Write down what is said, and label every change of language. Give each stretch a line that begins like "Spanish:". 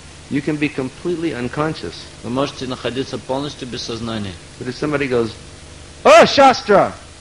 English: You can be completely unconscious.
Russian: Вы можете находиться полностью без сознания.
English: But if somebody goes, "О, Шастра!"